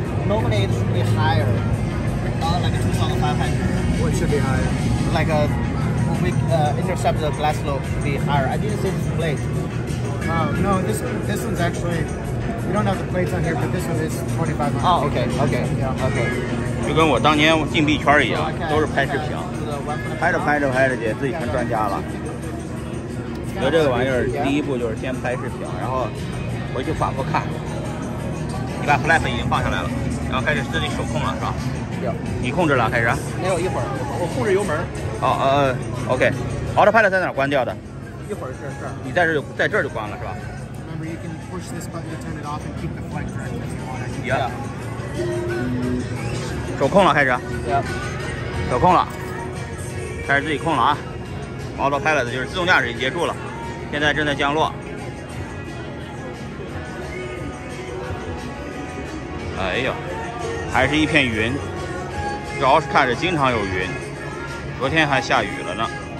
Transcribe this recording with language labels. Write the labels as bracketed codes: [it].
[en] Normally it should be higher. Like 2500. What should be higher? Like when we intercept the glide slope, should be higher. I didn't see the display. No, this one's actually, we don't have the plates on here, but this one is 25 miles. Oh, okay, okay, yeah, okay. [zh] 就跟我当年进币圈一样，都是拍视频，拍着姐自己成专家了。觉得这个玩意儿第一步就是先拍视频，然后回去反复看。你把 flap 已经放下来了，然后开始自己手控了，是吧？有。你控制了开始？没有，一会儿我控制油门。 OK， autopilot 在哪儿关掉的？一会儿是你在这儿就关了是吧？ [en] Remember you can push this button to turn it off and keep the flight direction you want. Yeah. [zh] 手控了开始。 [en] Yeah. [zh] 手控了，开始自己控了啊。 Autopilot 就是自动驾驶已结束了，现在正在降落。哎呦，还是一片云，这 Oscar 经常有云，昨天还下雨了呢。